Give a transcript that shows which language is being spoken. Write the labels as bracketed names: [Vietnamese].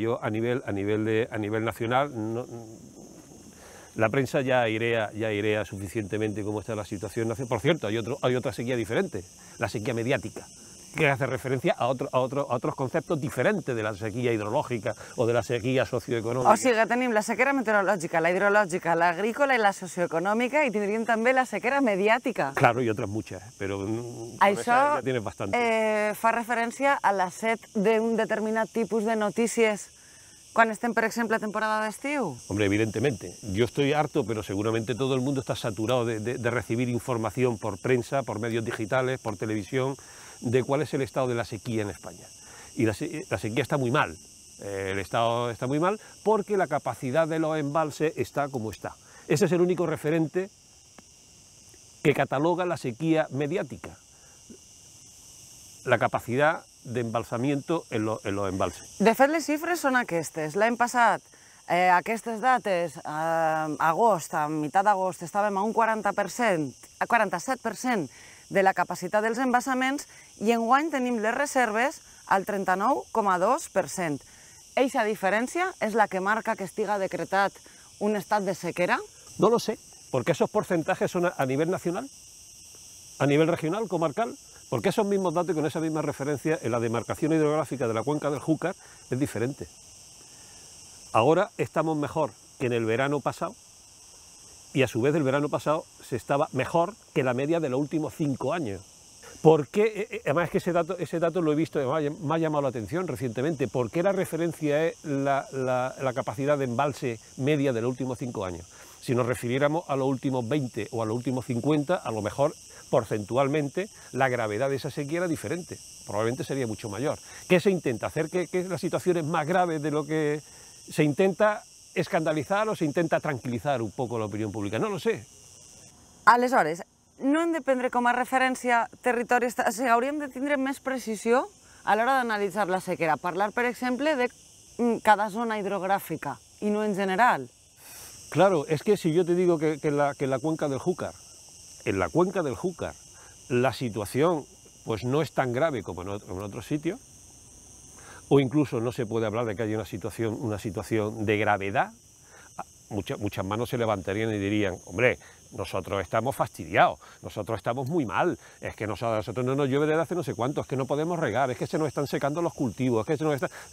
[Spanish] Yo a nivel nacional, no, la prensa ya airea suficientemente cómo está la situación. Por cierto, hay otra sequía diferente, la sequía mediática, que hace referencia a otros conceptos diferentes de la sequía hidrológica o de la sequía socioeconómica. [Catalan] O sigui, tenim la sequera meteorològica, la hidrològica, l'agrícola i la socioeconòmica, i tindríem també la sequera mediàtica. [Spanish] Claro, y otras muchas, pero [Catalan] això [Spanish] ja tienes bastante. [Catalan] Això fa referència a la set d'un determinat tipus de notícies quan estem, per exemple, a temporada d'estiu? [Spanish] Hombre, evidentemente. Yo estoy harto, pero seguramente todo el mundo está saturado de recibir información por prensa, por medios digitales, por televisión, de cuál es el estado de la sequía en España. Y la sequía está muy mal. El estado está muy mal porque la capacidad de los embalses está como está. Ese es el único referente que cataloga la sequía mediática. La capacidad de embalsamiento en los embalses. [Catalan] De fet, les xifres són aquestes. L'any passat, aquestes dates, agost, a meitat d'agost, estàvem a un 40%, a 47%, de la capacitat dels embassaments, i enguany tenim les reserves al 39,2%. Eixa diferència és la que marca que estiga decretat un estat de sequera? [Spanish] No lo sé, porque esos porcentajes son a nivel nacional, a nivel regional, comarcal, porque esos mismos datos y con esa misma referencia en la demarcación hidrográfica de la cuenca del Júcar es diferente. Ahora estamos mejor que en el verano pasado, y a su vez el verano pasado se estaba mejor que la media de los últimos 5 años. ¿Por qué? Además, es que ese dato lo he visto, me ha llamado la atención recientemente. ¿Por qué la referencia es la capacidad de embalse media de los últimos 5 años? Si nos refiriéramos a los últimos 20 o a los últimos 50, a lo mejor porcentualmente la gravedad de esa sequía era diferente. Probablemente sería mucho mayor. ¿Qué se intenta hacer? ¿Qué la situación es más grave de lo que se intenta escandalizar o se intenta tranquilizar un poco la opinión pública? No lo sé. [Catalan] Aleshores, no hem de prendre com a referència territoris, o sigui, hauríem de tindre més precisió a l'hora d'analitzar la sequera, parlar, per exemple, de cada zona hidrogràfica i no en general. [Spanish] Claro, es que si yo te digo que la cuenca del Júcar, en la cuenca del Júcar, la situación pues no es tan grave como en otros sitios, o incluso no se puede hablar de que haya una situación de gravedad, muchas manos se levantarían y dirían, hombre, nosotros estamos fastidiados, nosotros estamos muy mal, es que nosotros no nos llueve desde hace no sé cuánto, es que no podemos regar, es que se nos están secando los cultivos, es que se nos están...